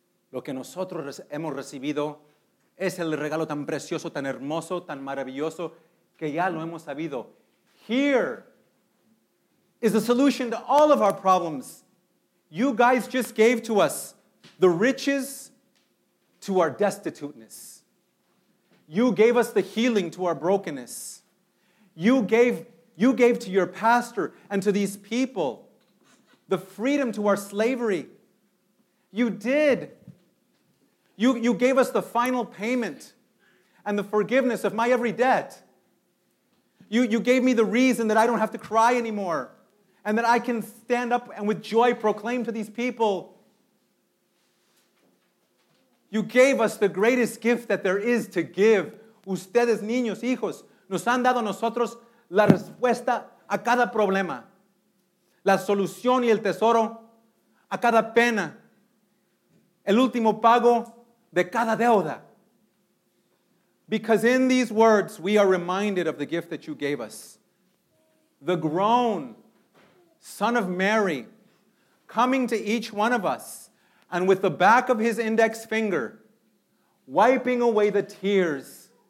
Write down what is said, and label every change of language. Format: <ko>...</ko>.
<es>Lo que nosotros hemos recibido es el regalo tan precioso, tan hermoso, tan maravilloso que ya lo hemos sabido.</es> <en>Here is the solution to all of our problems. You guys just gave to us the riches to our destituteness. You gave us the healing to our brokenness. You gave to your pastor and to these people the freedom to our slavery. You did. You gave us the final payment and the forgiveness of my every debt. You gave me the reason that I don't have to cry anymore and that I can stand up and with joy proclaim to these people. You gave us the greatest gift that there is to give.</en> <es>Ustedes, niños, hijos, nos han dado a nosotros la respuesta a cada problema, la solución y el tesoro a cada pena, el último pago de cada deuda.</es> <en>Because in these words, we are reminded of the gift that you gave us. The grown Son of Mary coming to each one of us and with the back of his index finger, wiping away the tears.</en>